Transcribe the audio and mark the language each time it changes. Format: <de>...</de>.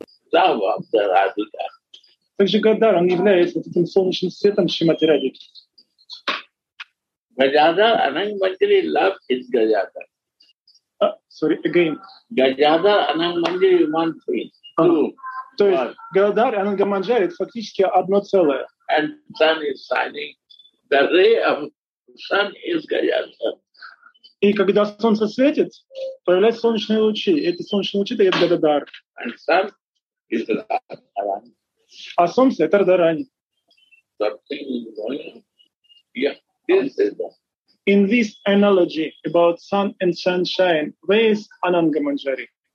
<ru>Так же Гадар, он является таким солнечным светом Шримати Радхики.</ru> <en>Гадар, Ананга Манджари, love is Гадар. Sorry, again. Гаджадар, Ананга Манджари, one thing.</en> <ru>То есть Гаджадар и Ананга Манджари — это фактически одно целое.</ru> <en>And sun is shining. The ray of sun is Гаджадар.</en> <ru>И когда солнце светит, появляются солнечные лучи. Эти солнечные лучи дают Гаджадар.</ru> <en>And sun is Радхарани.</en> <ru>А солнце — это Радхарани.</ru> <en>Something is going on. Yeah, this is that. In this analogy about sun and sunshine, where is Ananga Manjari?</en>